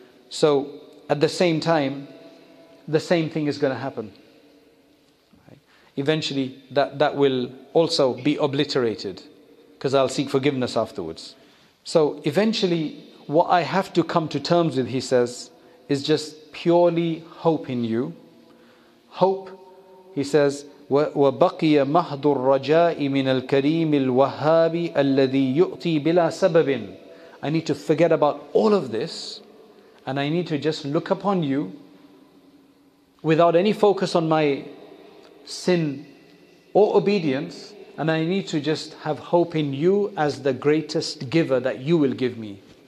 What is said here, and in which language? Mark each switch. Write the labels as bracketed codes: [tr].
[en] So at the same time, the same thing is going to happen. Eventually, that will also be obliterated, because I'll seek forgiveness afterwards. So eventually, what I have to come to terms with, he says, is just purely hope in you. Hope, he says, [ar] وَبَقِيَ مَحْضُ الرَّجَاءِ مِنَ الْكَرِيمِ الْوَهَّابِ الَّذِي يُؤْتِي بِلَا سَبَبٍ. [en] I need to forget about all of this, and I need to just look upon you without any focus on my sin or obedience, and I need to just have hope in you as the greatest giver that you will give me.